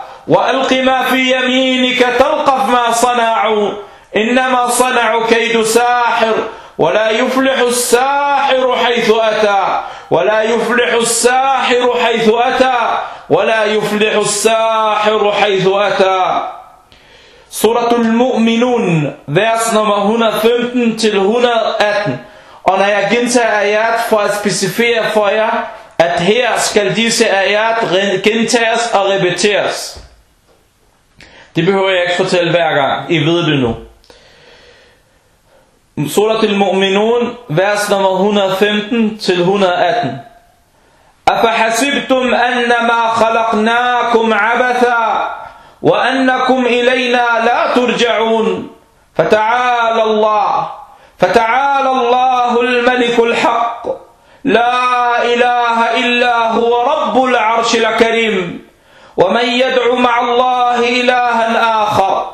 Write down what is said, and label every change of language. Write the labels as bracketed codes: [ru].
[ar] وألق ما في يمينك تلقف ما صنعوا إنما صنعوا كيد ساحر ولا يفلح الساحر حيث أتى ولا يفلح الساحر حيث أتى ولا يفلح الساحر حيث أتى. [da] سورة المؤمنون vers nummer 115 til 118. Og når jeg gentager ayat for at specificere for jer, at her skal disse ayat gentages og repeteres. Det behøver jeg ikke fortælle hver gang, I ved det nu. سورة المؤمنون vers nummer 115-118. [ar] أفحسبتم أنما خلقناكم عبثا وأنكم إلينا لا ترجعون فتعالى الله فتعالى الله الملك الحق لا إله إلا هو رب العرش الكريم ومن يدعو مع الله إلها آخر